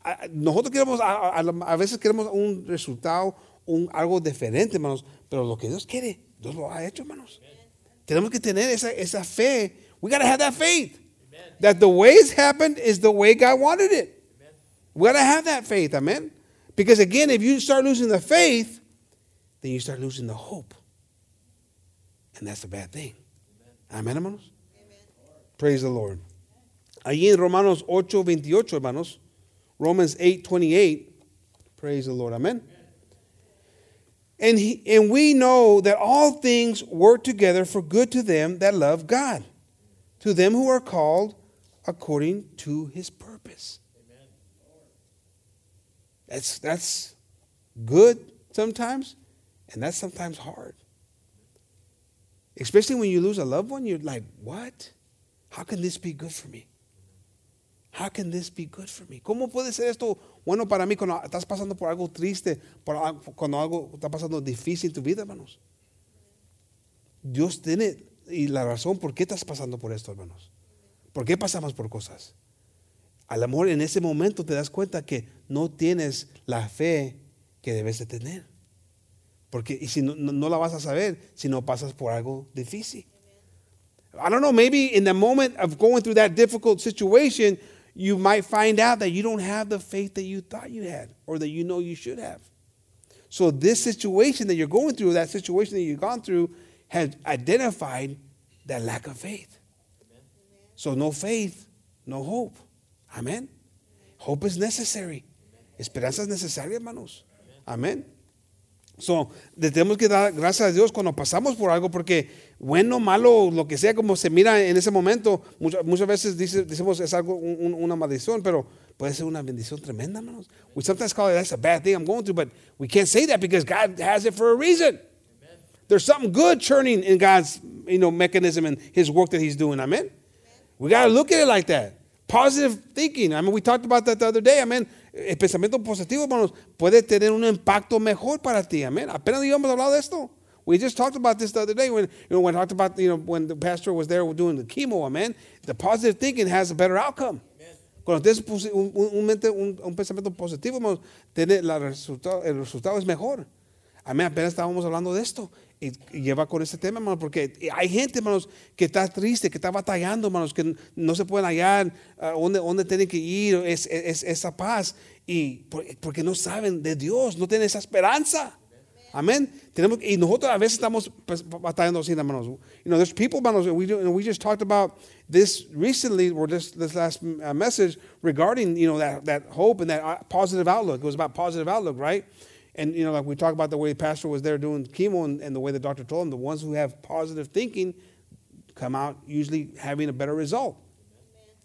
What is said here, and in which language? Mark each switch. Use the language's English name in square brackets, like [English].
[Spanish] Nosotros queremos, a veces queremos un resultado, algo diferente, hermanos, pero lo que Dios quiere, Dios lo ha hecho, hermanos. [English] Amen. [Spanish] Tenemos que tener esa fe. [English] We got to have that faith. Amen. That the way it's happened is the way God wanted it. Amen. We got to have that faith, amen? Because again, if you start losing the faith, then you start losing the hope. And that's a bad thing. Amen, amen, hermanos? Amen. Praise the Lord. [Spanish] Allí en Romanos 8:28, hermanos, Romans 8:28, [English] praise the Lord, [Spanish] amen? [English] And we know that all things work together for good to them that love God, to them who are called according to His purpose. Amen. That's good sometimes, and that's sometimes hard. Especially when you lose a loved one, you're like, what? How can this be good for me? How can this be good for me? [Spanish] ¿Cómo puede ser esto bueno para mí cuando estás pasando por algo triste, cuando algo está pasando difícil en tu vida, hermanos? Dios tiene y la razón por qué estás pasando por esto, hermanos. ¿Por qué pasamos por cosas? A lo mejor en ese momento te das cuenta que no tienes la fe que debes de tener. Porque, y si no la vas a saber si no pasas por algo difícil. [English] I don't know, maybe in the moment of going through that difficult situation, you might find out that you don't have the faith that you thought you had or that you know you should have. So this situation that you're going through, that situation that you've gone through, has identified that lack of faith. Amen. So no faith, no hope. Amen. Hope is necessary. Amen. [Spanish] Esperanza es necesaria, [English] hermanos. Amen. [Spanish] So, le tenemos que dar gracias a Dios cuando pasamos por algo, porque bueno, malo, lo que sea, como se mira en ese momento, muchas veces decimos es algo, una maldición, pero puede ser una bendición tremenda, hermanos. [English] We sometimes call it, that's a bad thing I'm going through, but we can't say that because God has it for a reason. Amen. There's something good churning in God's, you know, mechanism and His work that He's doing, amen? We got to look at it like that. Positive thinking, I mean, we talked about that the other day, amen? [Spanish] El pensamiento positivo, hermanos, puede tener un impacto mejor para ti. Amen. Apenas habíamos hablado de esto. [English] We just talked about this the other day when we talked about, you know, when the pastor was there doing the chemo. Amen. The positive thinking has a better outcome. Amen. [Spanish] Cuando tienes un pensamiento positivo, hermanos, el resultado es mejor. Amén, apenas estábamos hablando de esto. Y lleva con este tema, hermano, porque hay gente, hermanos, que está triste, que está batallando, hermanos, que no se pueden hallar donde tienen que ir, es esa paz, y porque no saben de Dios, no tienen esa esperanza. Amén. Tenemos, y nosotros a veces estamos batallando así, hermanos. [English] You know, there's people, hermanos, we just talked about this recently, or this last message regarding, you know, that hope and that positive outlook. It was about positive outlook, right? And, you know, like we talked about the way the pastor was there doing chemo and the way the doctor told him, the ones who have positive thinking come out usually having a better result. Amen.